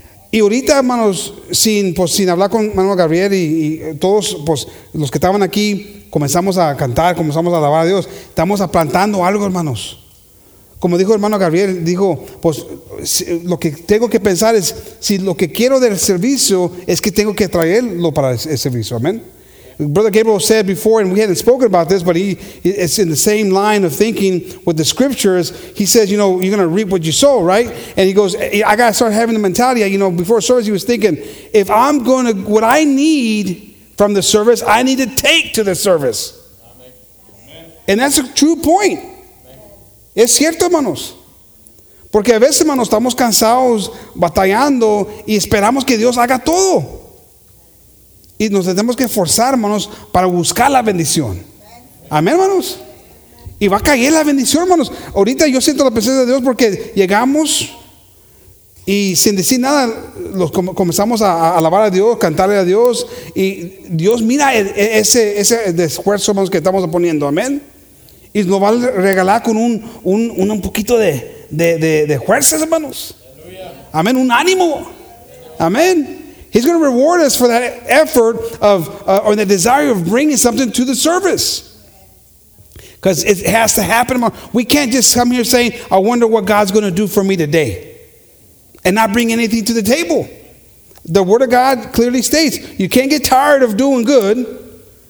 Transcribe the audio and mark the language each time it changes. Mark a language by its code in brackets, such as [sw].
[es] Y ahorita, hermanos, sin hablar con hermano Gabriel y todos pues, los que estaban aquí, comenzamos a cantar, comenzamos a alabar a Dios. Estamos plantando algo, hermanos. Como dijo hermano Gabriel, dijo, pues si, lo que tengo que pensar es, si lo que quiero del servicio es que tengo que traerlo para el servicio, amén. [en] Brother Gabriel said before, and we hadn't spoken about this, but it's in the same line of thinking with the scriptures. He says, you know, you're going to reap what you sow, right? And he goes, I got to start having the mentality, you know, before service, he was thinking, if I'm going to, what I need from the service, I need to take to the service. Amen. And that's a true point. Amen. [es] Es cierto, hermanos. Porque a veces, hermanos, estamos cansados, batallando, y esperamos que Dios haga todo. Y nos tenemos que esforzar, hermanos, para buscar la bendición. Amén, hermanos. Y va a caer la bendición, hermanos. Ahorita yo siento la presencia de Dios porque llegamos y sin decir nada, comenzamos a alabar a Dios, cantarle a Dios. Y Dios mira ese esfuerzo, hermanos, que estamos poniendo. Amén. Y nos va a regalar con un poquito de fuerzas, hermanos. Amén. Un ánimo. Amén. [en] He's going to reward us for that effort of or the desire of bringing something to the service. Because it has to happen. We can't just come here saying, I wonder what God's going to do for me today. And not bring anything to the table. The Word of God clearly states, you can't get tired of doing good.